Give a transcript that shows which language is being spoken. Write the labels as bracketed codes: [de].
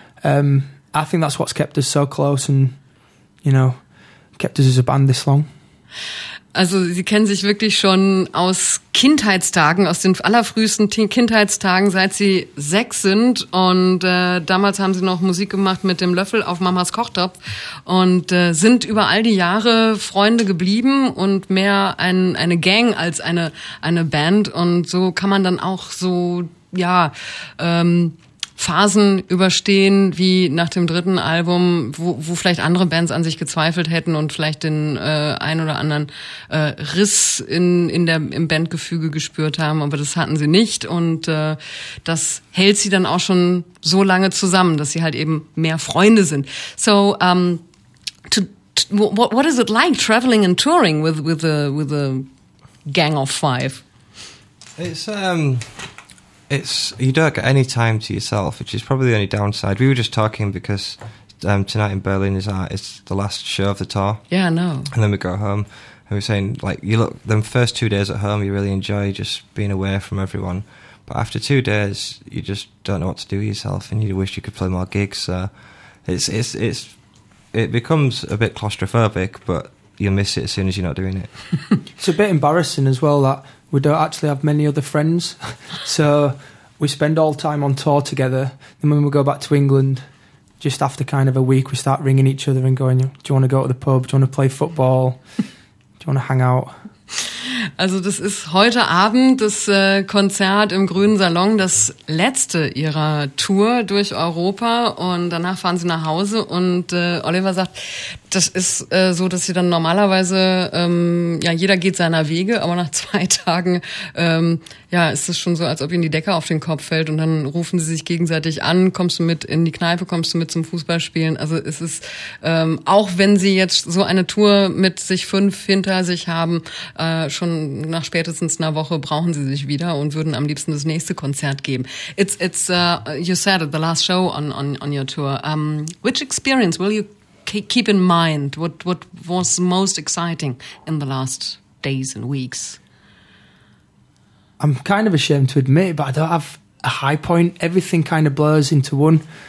[en] I think that's what's kept us so close and, you know, kept us as a band this long. [de] Also Sie kennen sich wirklich schon aus Kindheitstagen, aus den allerfrühesten Kindheitstagen, seit Sie 6 sind. Und damals haben Sie noch Musik gemacht mit dem Löffel auf Mamas Kochtopf und sind über all die Jahre Freunde geblieben und mehr eine Gang als eine Band. Und so kann man dann auch so, ja, Phasen überstehen, wie nach dem dritten Album, wo vielleicht andere Bands an sich gezweifelt hätten und vielleicht den ein oder anderen Riss im Bandgefüge gespürt haben, aber das hatten sie nicht und das hält sie dann auch schon so lange zusammen, dass sie halt eben mehr Freunde sind. [en] So, what is it like traveling and touring with a gang of five? It's you don't get any time to yourself, which is probably the only downside. We were just talking because tonight in Berlin is the last show of the tour. Yeah, I know. And then we go home, and we're saying, like, you look, the first 2 days at home, you really enjoy just being away from everyone. But after 2 days, you just don't know what to do with yourself, and you wish you could play more gigs. So it becomes a bit claustrophobic, but you'll miss it as soon as you're not doing it. It's a bit embarrassing as well that we don't actually have many other friends, so we spend all time on tour together. Then when we go back to England, just after kind of a week, we start ringing each other and going, do you want to go to the pub? Do you want to play football? Do you want to hang out? [de] Also das ist heute Abend das Konzert im Grünen Salon, das letzte ihrer Tour durch Europa und danach fahren sie nach Hause und Oliver sagt, das ist so, dass sie dann normalerweise, ja jeder geht seiner Wege, aber nach 2 Tagen ja ist es schon so, als ob ihnen die Decke auf den Kopf fällt und dann rufen sie sich gegenseitig an, kommst du mit in die Kneipe, kommst du mit zum Fußballspielen, also es ist, auch wenn sie jetzt so eine Tour mit sich 5 hinter sich haben, schon nach spätestens einer Woche brauchen sie sich wieder und würden am liebsten das nächste Konzert geben. [en] You said it, the last show on your tour. Which experience will you keep in mind? What was most exciting in the last days and weeks? I'm kind of ashamed to admit it, but I don't have a high point. Everything kind of blurs into one.